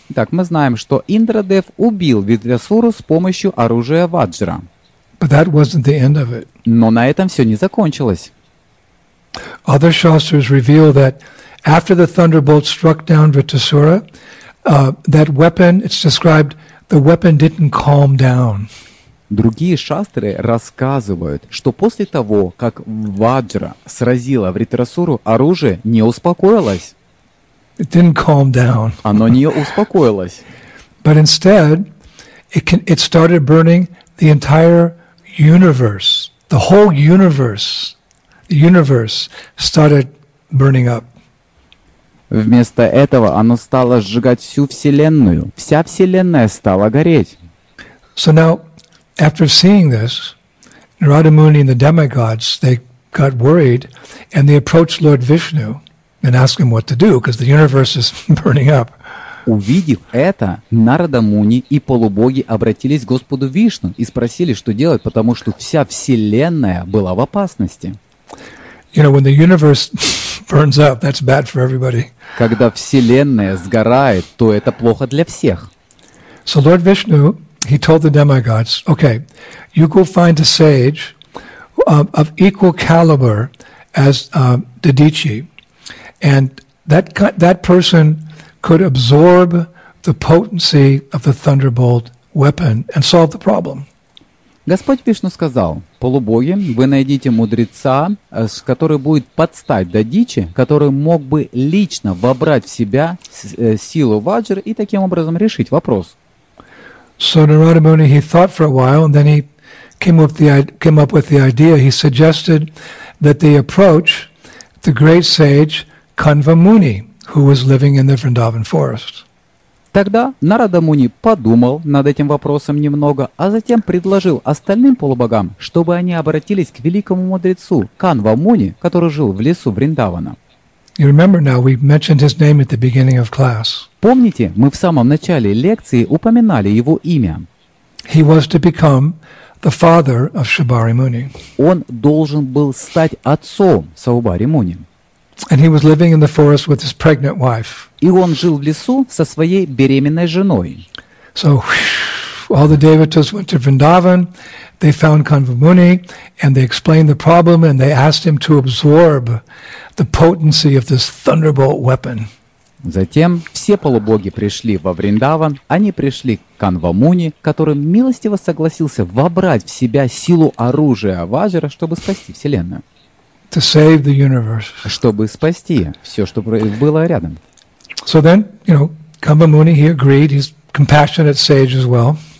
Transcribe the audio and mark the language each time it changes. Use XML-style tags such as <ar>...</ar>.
<ru>Так, мы знаем, что Индрадев убил Вритасуру с помощью оружия Ваджра.</ru> <en>But that wasn't the end of it.</en> <ru>Но на этом все не закончилось.</ru> <en>Other shastras reveal that after the thunderbolt struck down Vritasura, that weapon, it's described, the weapon didn't calm down.</en> <ru>Другие шастры рассказывают, что после того, как Ваджра сразила Вритасуру, оружие не успокоилось.</ru> <en>It didn't calm down.</en> <ru>Оно не успокоилось.</ru> <en>But instead, it started burning the entire universe. The whole universe. The universe started burning up.</en> <ru>Вместо этого оно стало сжигать всю вселенную. Вся вселенная стала гореть.</ru> <en>So now, after seeing this, Narada Muni and the demigods, they got worried and they approached Lord Vishnu. And ask him what to do, because the universe is burning up.</en> <ru>Увидев это, Нарада Муни и полубоги обратились к Господу Вишну и спросили, что делать, потому что вся вселенная была в опасности.</ru> <en>You know, when the universe burns up, that's bad for everybody.</en> <ru>Когда вселенная сгорает, то это плохо для всех.</ru> <en>So Lord Vishnu, he told the demigods, okay, you go find a sage of equal caliber as Dadichi. And that person could absorb the potency of the thunderbolt weapon and solve the problem.</en> <ru>Господь Вишну сказал: полубоги, вы найдите мудреца, который будет подстать Дадичи, который мог бы лично вобрать в себя силу Ваджра и таким образом решить вопрос.</ru> <en>So Narada Muni, he thought for a while, and then he came up with the idea. He suggested that they approach the great sage Kanva Muni, who was living in the Vrindavan forest.</en> <ru>Тогда Нарада Муни подумал над этим вопросом немного, а затем предложил остальным полубогам, чтобы они обратились к великому мудрецу Канва Муни, который жил в лесу Вриндавана.</ru> <en>You remember now, we mentioned his name at the beginning of class.</en> <ru>Помните, мы в самом начале лекции упоминали его имя.</ru> <en>He was to become the father of Shibari Muni.</en> <ru>Он должен был стать отцом Саубари Муни.</ru> <en>And he was living in the forest with his pregnant wife.</en> <ru>И он жил в лесу со своей беременной женой.</ru> <en>So all the devotees went to Vrindavan. They found Kanvamuni, and they explained the problem, and they asked him to absorb the potency of this thunderbolt weapon.</en> <ru>Затем все полубоги пришли во Вриндаван. Они пришли к Канвамуни, который милостиво согласился вобрать в себя силу оружия Ваджра, чтобы спасти Вселенную.</ru> <en>To save the universe.</en> <ru>Чтобы спасти все, что было рядом.</ru> <en>So then, you know, Kanvamuni, he agreed. He's compassionate sage as well.</en>